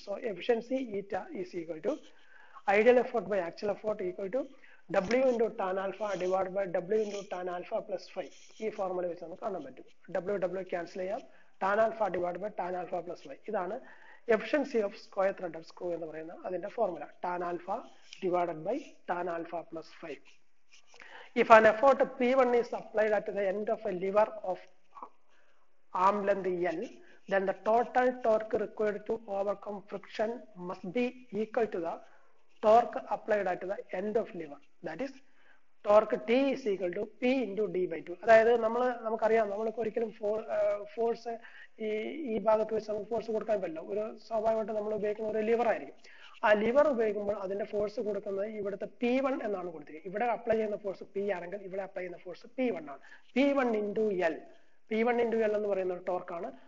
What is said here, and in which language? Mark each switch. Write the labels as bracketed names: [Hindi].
[English] So efficiency eta is equal to ideal effort by actual effort equal to W into tan alpha divide by W into tan alpha plus five. [Malayalam] ഈ formula വെച്ച് നമുക്ക് കാണാൻ പറ്റും. W W cancel ചെയ്യാം. Tan alpha divide by tan alpha plus five, ഇതാണ് efficiency of square threaded screw എന്ന് പറയുന്ന അതിൻ്റെ formula. [English] Tan alpha divided by tan alpha plus five. If an effort P1 is applied at the end of a lever of arm length L, then the total torque required to overcome friction must be equal to the torque applied at the end of lever. That is, torque T is equal to P into D by 2. [Malayalam] അതായത് നമ്മൾ നമുക്കറിയാം നമ്മൾക്ക് ഒരിക്കലും force ഈ ഭാഗത്ത് വെച്ച് നമുക്ക് force കൊടുക്കാൻ പറ്റില്ല. ഒരു സ്വാഭാവികമായിട്ട് നമ്മൾ ഉപയോഗിക്കുന്ന ഒരു ലിവർ ആയിരിക്കും. ആ ലിവർ ഉപയോഗിക്കുമ്പോൾ അതിൻ്റെ ഫോഴ്സ് കൊടുക്കുന്നത് ഇവിടുത്തെ പി വൺ എന്നാണ് കൊടുത്തിരിക്കുന്നത്. ഇവിടെ അപ്ലൈ ചെയ്യുന്ന ഫോഴ്സ് പി ആണെങ്കിൽ ഇവിടെ അപ്ലൈ ചെയ്യുന്ന ഫോഴ്സ് പി വൺ ആണ്. P one into L, P one into L എന്ന് പറയുന്ന ഒരു ടോർക്കാണ്.